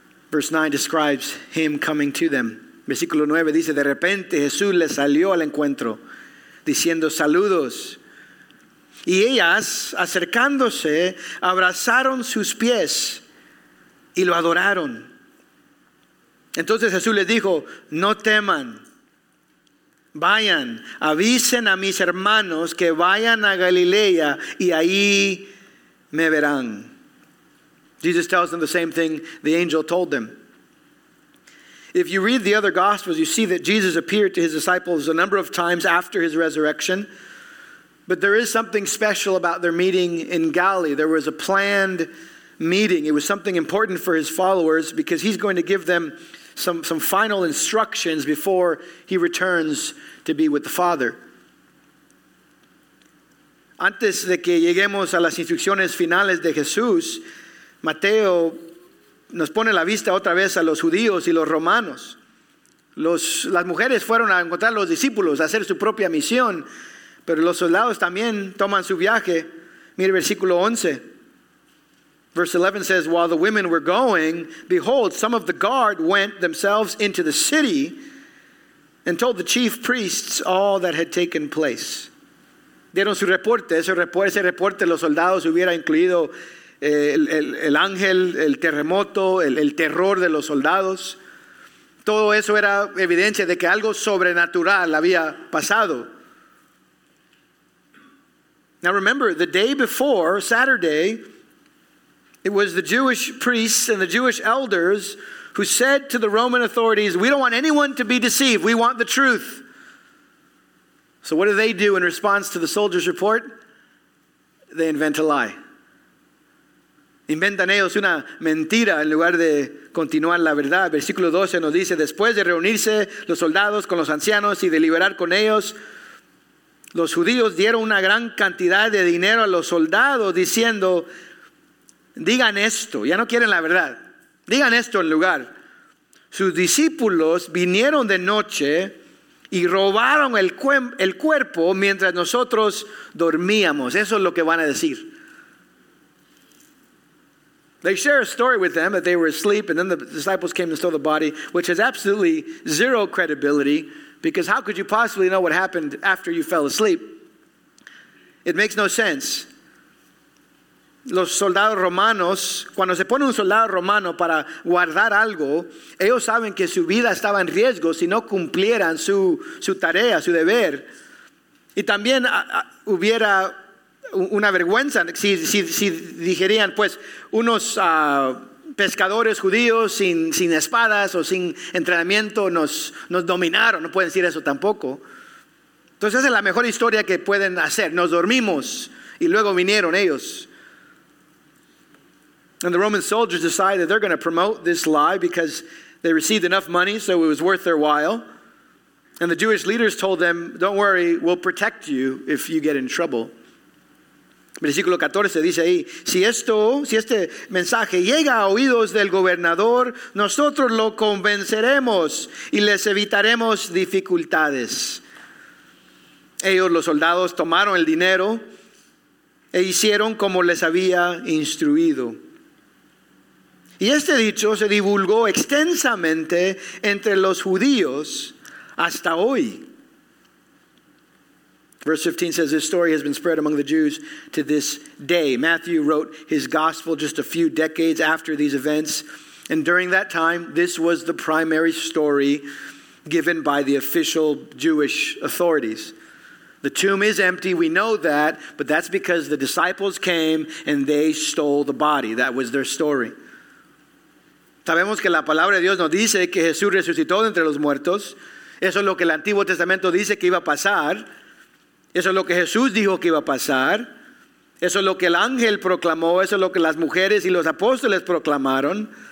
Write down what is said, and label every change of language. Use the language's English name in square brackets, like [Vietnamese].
[English] Verse 9 describes him coming to them. [Spanish] Versículo 9 dice, de repente Jesús les salió al encuentro, diciendo, saludos. Y ellas, acercándose, abrazaron sus pies. Y lo adoraron. Entonces Jesús les dijo, no teman. Vayan, avisen a mis hermanos que vayan a Galilea y ahí me verán. [English] Jesus tells them the same thing the angel told them. If you read the other Gospels, you see that Jesus appeared to his disciples a number of times after his resurrection. But there is something special about their meeting in Galilee. There was a planned meeting. It was something important for his followers because he's going to give them some final instructions before he returns to be with the Father. [Spanish] Antes de que lleguemos a las instrucciones finales de Jesús, Mateo nos pone la vista otra vez a los judíos y los romanos. Las mujeres fueron a encontrar a los discípulos, a hacer su propia misión, pero los soldados también toman su viaje. Mire versículo 11. [English] Verse 11 says, while the women were going, behold, some of the guard went themselves into the city and told the chief priests all that had taken place. [Spanish] Dieron su reporte. Ese reporte los soldados hubiera incluido el ángel, el terremoto, el terror de los soldados. Todo eso era evidencia de que algo sobrenatural había pasado. [English] Now remember, the day before, Saturday, it was the Jewish priests and the Jewish elders who said to the Roman authorities, we don't want anyone to be deceived. We want the truth. So what do in response to the soldier's report? They invent a lie. [Spanish] Inventan ellos una mentira en lugar de continuar la verdad. Versículo 12 nos dice, después de reunirse los soldados con los ancianos y deliberar con ellos, los judíos dieron una gran cantidad de dinero a los soldados diciendo, digan esto, ya no quieren la verdad. Digan esto en lugar. Sus discípulos vinieron de noche y robaron el cuerpo mientras nosotros dormíamos. Eso es lo que van a decir. [English] They share a story with them that they were asleep and then the disciples came and stole the body, which has absolutely zero credibility because how could you possibly know what happened after you fell asleep? It makes no sense. [Spanish] Los soldados romanos, cuando se pone un soldado romano para guardar algo, ellos saben que su vida estaba en riesgo si no cumplieran su tarea, su deber. Y también hubiera una vergüenza si dijeran, pues, unos pescadores judíos sin espadas o sin entrenamiento nos dominaron. No pueden decir eso tampoco. Entonces esa es la mejor historia que pueden hacer. Nos dormimos y luego vinieron ellos. [English] And the Roman soldiers decide that they're going to promote this lie because they received enough money, so it was worth their while. And the Jewish leaders told them, don't worry, we'll protect you if you get in trouble. [Spanish] Versículo 14 dice ahí, si este mensaje llega a oídos del gobernador, nosotros lo convenceremos y les evitaremos dificultades. Ellos, los soldados, tomaron el dinero e hicieron como les había instruido. Y este dicho se divulgó extensamente entre los judíos hasta hoy. [English] Verse 15 says, this story has been spread among the Jews to this day. Matthew wrote his gospel just a few decades after these events. And during that time, this was the primary story given by the official Jewish authorities. The tomb is empty, we know that, but that's because the disciples came and they stole the body. That was their story. [Spanish] Sabemos que la palabra de Dios nos dice que Jesús resucitó de entre los muertos. Eso es lo que el Antiguo Testamento dice que iba a pasar. Eso es lo que Jesús dijo que iba a pasar. Eso es lo que el ángel proclamó. Eso es lo que las mujeres y los apóstoles proclamaron.